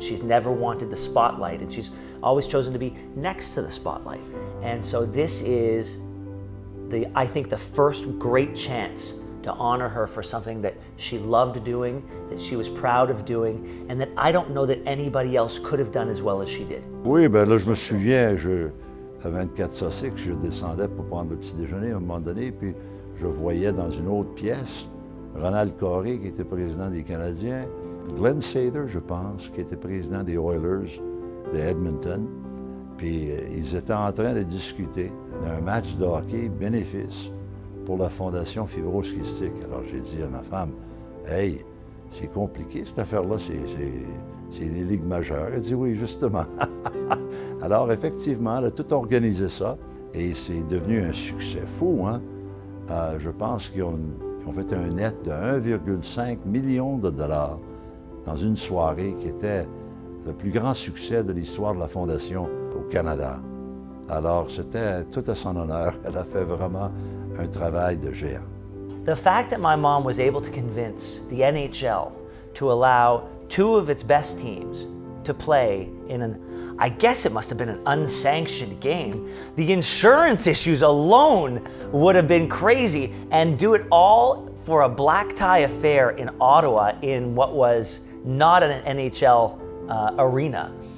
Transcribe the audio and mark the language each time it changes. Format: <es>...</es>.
<en>She's never wanted the spotlight, and she's always chosen to be next to the spotlight. And so this is, I think, the first great chance to honor her for something that she loved doing, that she was proud of doing, and that I don't know that anybody else could have done as well as she did.</en> <fr>Oui, ben là, je me souviens, à 24 Sussex, je descendais pour prendre le petit déjeuner à un moment donné, puis je voyais dans une autre pièce Ronald Coré, qui était président des Canadiens, Glenn Sather, je pense, qui était président des Oilers de Edmonton. Puis ils étaient en train de discuter d'un match de hockey bénéfice pour la Fondation Fibrose Cystique. Alors j'ai dit à ma femme, « Hey, c'est compliqué cette affaire-là, c'est les ligues majeures. » Elle dit, « Oui, justement. » Alors effectivement, elle a tout organisé ça et c'est devenu un succès fou, hein? Je pense qu'ils ont fait un net de 1,5 million de dollars dans une soirée qui était le plus grand succès de l'histoire de la Fondation au Canada. Alors, c'était tout à son honneur. Elle a fait vraiment un travail de géant.</fr> <en>The fact that my mom was able to convince the NHL to allow two of its best teams to play in an, I guess it must have been an unsanctioned game, the insurance issues alone would have been crazy, and do it all for a black tie affair in Ottawa in what was not an NHL arena.</en>